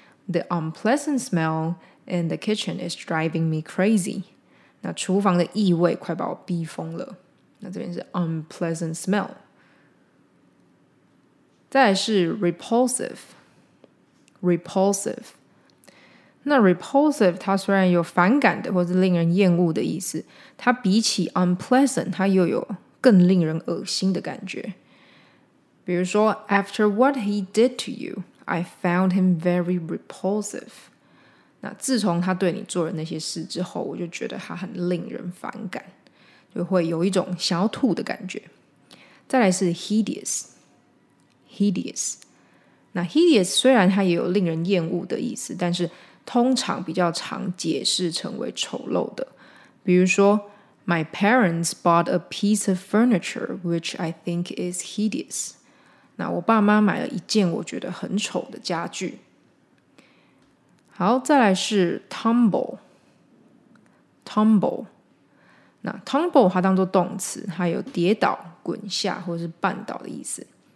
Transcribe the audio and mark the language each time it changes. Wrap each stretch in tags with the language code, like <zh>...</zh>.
<en>The unpleasant smell in the kitchen is driving me crazy.</en> <zh>那厨房的异味快把我逼疯了。那这边是 unpleasant smell。再来是 repulsive。那 repulsive 它虽然有反感的或是令人厌恶的意思，它比起 unpleasant 它又有更令人恶心的感觉。比如说</zh> <en>After what he did to you, I found him very repulsive.</en> <zh>那自从他对你做了那些事之后，我就觉得他很令人反感，就会有一种想要吐的感觉。再来是 hideous。那 hideous 虽然它也有令人厌恶的意思，但是通常比较常解释成为丑陋的，比如说</zh> <en>My parents bought a piece of furniture which I think is hideous.</en> <zh>那我爸妈买了一件我觉得很丑的家具。好，再来是 tumble。那 tumble 它当作动词，它有跌倒、滚下或是绊倒的意思。</zh>